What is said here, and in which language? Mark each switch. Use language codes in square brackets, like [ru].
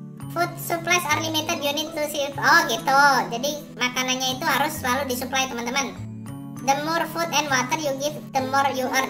[en] Food supplies are limited, you need to save. [id] Oh, gitu. Jadi makanannya itu harus selalu disuplai, teman-teman. [en] The more food and water you give, the more you earn.